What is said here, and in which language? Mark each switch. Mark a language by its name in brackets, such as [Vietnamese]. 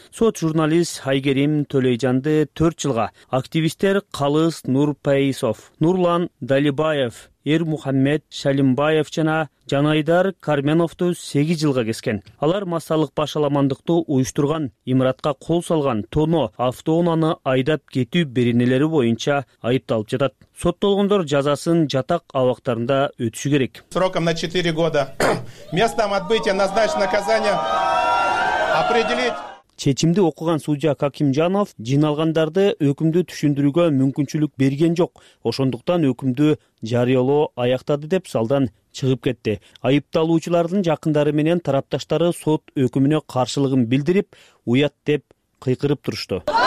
[Kyrgyz] Сот журналист Айгерим Төлөйжанды 4 жылга, активисттер Калыс Нурпейсов, Нурлан Далибаев, Эр Мухаммед Шалимбаев жана Жанайдар Карменовду 8 жылга кескен. Алар массалык башаламандыкты уюштурган, имаратка кол салган, тоно автоунааны айдап кетүү беренелери боюнча айыпталып жатат. Соттолгондор жазасын жатак абактарында өтүшү керек. [Russian] Сроком на 4 года. Местом отбытия назначено наказание определить. [Kyrgyz] Чечимди окуган судья Какимжанов жыйналгандарды өкүмдү түшүндүрүүгө мүмкүнчүлүк берген жок. Ошондуктан өкүмдү жарыялоо аяктады деп залдан чыгып кетти. Айыпталуучулардын жакындары менен тарапташтары сот өкүмүнө каршылыгын билдирип, уят деп кыйкырып турушту.